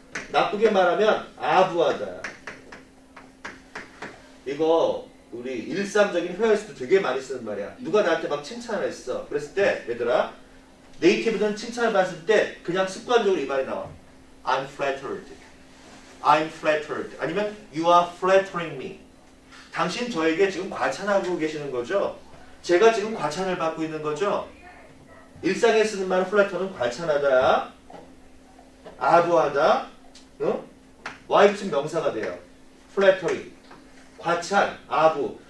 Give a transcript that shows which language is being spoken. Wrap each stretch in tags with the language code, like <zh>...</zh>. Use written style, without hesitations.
<ko>나쁘게 말하면 아부하다. 이거 우리 일상적인 회화에서도 되게 많이 쓰는 말이야. 누가 나한테 막 칭찬을 했어. 그랬을 때 얘들아, 네이티브들은 칭찬을 받았을 때 그냥 습관적으로 이 말이 나와.</ko> <en>I'm flattered. I'm flattered.</en> <ko>아니면</ko> <en>You are flattering me.</en> <ko>당신 저에게 지금 과찬하고 계시는 거죠? 제가 지금 과찬을 받고 있는 거죠? 일상에 쓰는 말 flatter는 과찬하다. 아부하다. 응? 와이프 명사가 돼요. flattering. 과찬, 아부.</ko>